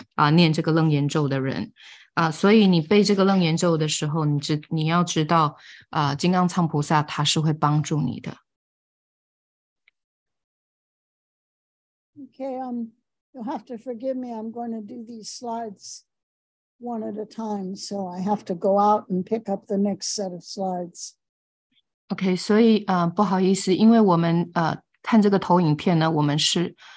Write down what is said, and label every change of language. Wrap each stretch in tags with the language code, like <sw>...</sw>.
<zh>所以当我们背楞严咒的时候，84000金刚藏菩萨会来护持我们。但是如果我们没有继续保持，或者是忘了我们所念诵的或背的，他们可能就会离开我们，或他们有一部分会离开我们，因为他们有更重要的事情要做，比如说他们要去护持念这个楞严咒的人。所以你背这个楞严咒的时候，你要知道，金刚藏菩萨他是会帮助你的。Okay,</zh> <en>you'll have to forgive me. I'm going to do these slides one at a time, so I have to go out and pick up the next set of slides.</en> <zh>Okay, 所以不好意思，因为我们看这个投影片呢，我们是。</zh>